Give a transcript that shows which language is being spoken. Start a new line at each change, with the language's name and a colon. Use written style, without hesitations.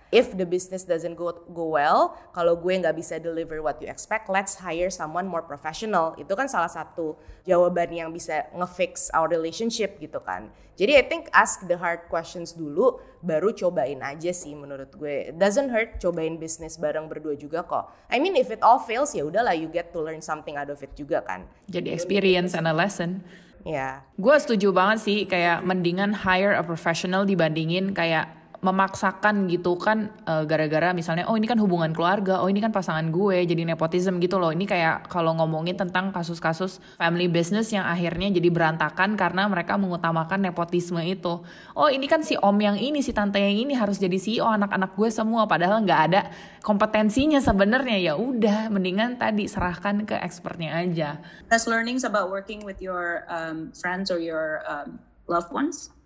English: If the business doesn't go well,
Indonesian: kalau gue gak bisa
English: deliver what you expect, let's hire someone more professional.
Indonesian: Itu kan salah satu jawaban yang bisa ngefix
English: our relationship
Indonesian: gitu kan. Jadi
English: I think ask the hard questions
Indonesian: dulu, baru cobain aja sih menurut gue.
English: It doesn't hurt
Indonesian: cobain bisnis bareng berdua juga kok.
English: I mean if it all fails
Indonesian: ya udahlah,
English: you get to learn something out of it
Indonesian: juga kan. Jadi
English: experience and a lesson.
Indonesian: Ya.
English: Yeah.
Indonesian: Gue setuju banget sih, kayak mendingan
English: hire a professional
Indonesian: dibandingin kayak memaksakan gitu kan, gara-gara misalnya oh ini kan hubungan keluarga, oh ini kan pasangan gue, jadi nepotism gitu loh. Ini kayak kalau ngomongin tentang kasus-kasus family business yang akhirnya jadi berantakan karena mereka mengutamakan nepotisme itu. Oh ini kan si om yang ini, si tante yang ini harus jadi CEO anak-anak gue semua, padahal nggak ada kompetensinya sebenarnya. Ya udah, mendingan tadi serahkan ke expertnya aja.
English: Best learnings about working with your friends or your loved ones?